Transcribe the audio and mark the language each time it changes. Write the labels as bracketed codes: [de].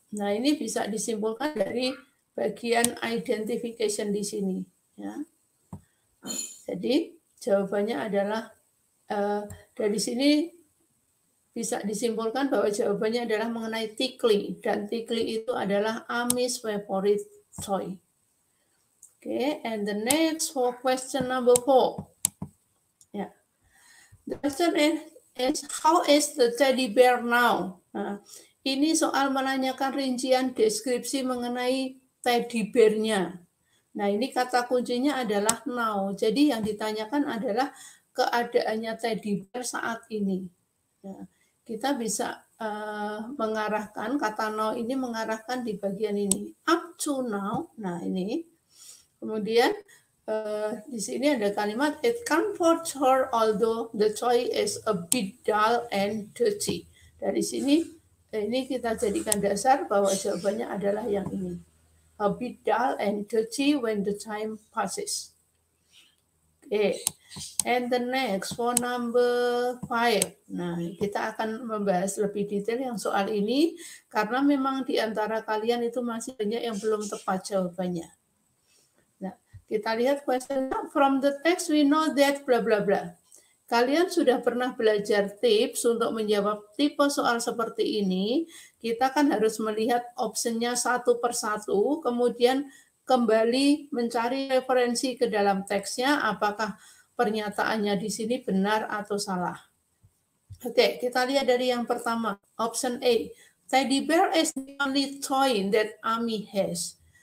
[id] Nah, ini bisa disimpulkan dari bagian identification di sini, ya. Jadi jawabannya adalah dari sini bisa disimpulkan bahwa jawabannya adalah mengenai tickly, dan tickly itu adalah [en] Amy's favorite toy. Oke, okay, and the next for question number four. Yeah. The question Is, how is the teddy bear now? [id] Nah, ini soal menanyakan rincian deskripsi mengenai teddy bear-nya. Nah, ini kata kuncinya adalah now. Jadi, yang ditanyakan adalah keadaannya teddy bear saat ini. Nah, kita bisa mengarahkan, kata now ini mengarahkan di bagian ini. [en] Up to now, nah ini. [id] Kemudian, di sini ada kalimat, [en] it comforts her although the toy is a bit dull and dirty. [id] Dari sini, ini kita jadikan dasar bahwa jawabannya adalah yang ini. [en] A bit dull and dirty when the time passes. Okay. And the next, for number 5. [id] Nah, kita akan membahas lebih detail yang soal ini, karena memang di antara kalian itu masih banyak yang belum tepat jawabannya. Kita lihat questionnya, [en] from the text we know that bla bla bla. [id] Kalian sudah pernah belajar tips untuk menjawab tipe soal seperti ini, kita kan harus melihat optionnya satu per satu, kemudian kembali mencari referensi ke dalam teksnya, apakah pernyataannya di sini benar atau salah. Oke, kita lihat dari yang pertama, option A. [en] Teddy bear is the only toy that Ami has.